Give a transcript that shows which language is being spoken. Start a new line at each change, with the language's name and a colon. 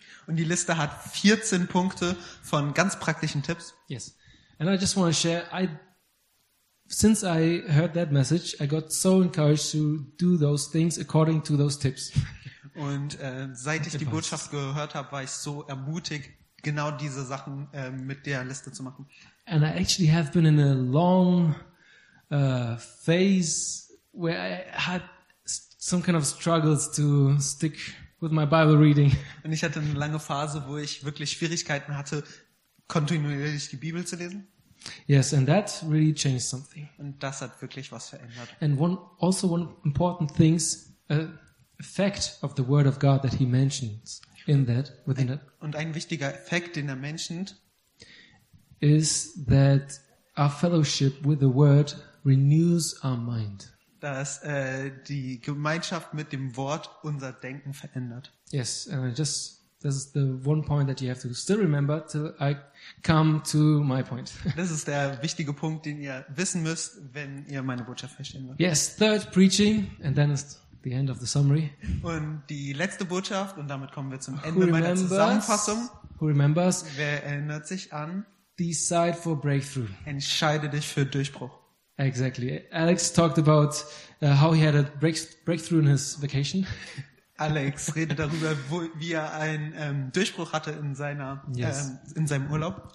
German: Und die Liste hat 14 Punkte von ganz praktischen Tipps.
English: Yes. And I just want to share, since I heard that message, I got so encouraged to do those things according to those tips.
German: Und seit ich die Botschaft gehört habe, war ich so ermutigt, genau diese Sachen mit der Liste zu machen.
English: And I actually have been in a long phase where I had some kind of struggles to stick with my Bible reading.
German: Und ich hatte eine lange Phase, wo ich wirklich Schwierigkeiten hatte, kontinuierlich die Bibel zu lesen.
English: Yes, and that really changed something.
German: Und das hat wirklich was verändert.
English: And one important things, effect of the Word of God that he mentions in that within it.
German: Und ein wichtiger Effekt, den er mentioned,
English: is that our fellowship with the Word renews our mind.
German: Dass die Gemeinschaft mit dem Wort unser Denken verändert.
English: Yes, and this is the one point that you have to still remember till I come to my point.
German: Das ist der wichtige Punkt, den ihr wissen müsst, wenn ihr meine Botschaft verstehen wollt.
English: Yes, third preaching, and then it's the end of the summary.
German: Und die letzte Botschaft, und damit kommen wir zum Ende meiner Zusammenfassung.
English: Who remembers?
German: Wer erinnert sich an?
English: Decide for breakthrough.
German: Entscheide dich für Durchbruch.
English: Exactly. Alex talked about how he had a breakthrough in his vacation.
German: Alex redet darüber, wie er einen Durchbruch hatte in seiner in seinem Urlaub.